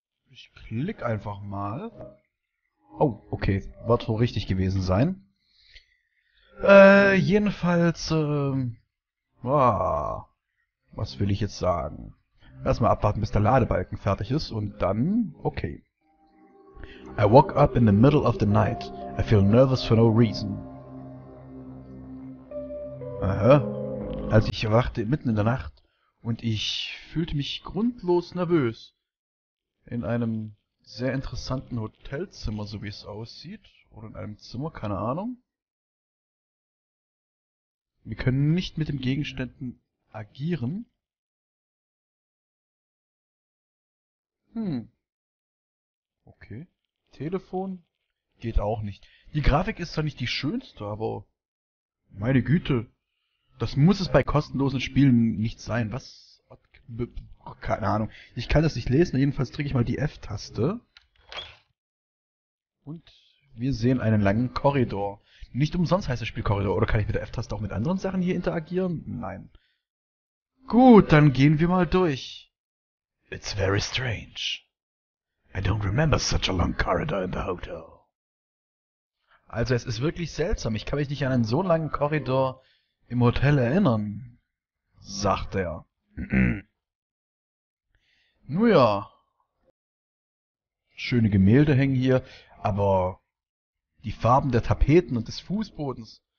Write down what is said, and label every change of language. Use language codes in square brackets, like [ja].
[de] Ich klick einfach mal. Oh, okay, wird wohl richtig gewesen sein. Jedenfalls, was will ich jetzt sagen? Erstmal abwarten, bis der Ladebalken fertig ist und dann, okay. [en] I woke up in the middle of the night. I feel nervous for no reason. Aha. [de] Als ich erwachte mitten in der Nacht und ich fühlte mich grundlos nervös. In einem sehr interessanten Hotelzimmer, so wie es aussieht. Oder in einem Zimmer, keine Ahnung. Wir können nicht mit den Gegenständen agieren. Okay. Telefon geht auch nicht. Die Grafik ist zwar nicht die schönste, aber meine Güte. Das muss es bei kostenlosen Spielen nicht sein. Was? Keine Ahnung. Ich kann das nicht lesen. Jedenfalls drücke ich mal die F-Taste. Und wir sehen einen langen Korridor. Nicht umsonst heißt das Spiel Korridor. Oder kann ich mit der F-Taste auch mit anderen Sachen hier interagieren? Nein. Gut, dann gehen wir mal durch. [en] It's very strange. I don't remember such a long corridor in the hotel. [de] Also, es ist wirklich seltsam. Ich kann mich nicht an einen so langen Korridor im Hotel erinnern, sagt er. Nun ja. Schöne Gemälde hängen hier, aber die Farben der Tapeten und des Fußbodens.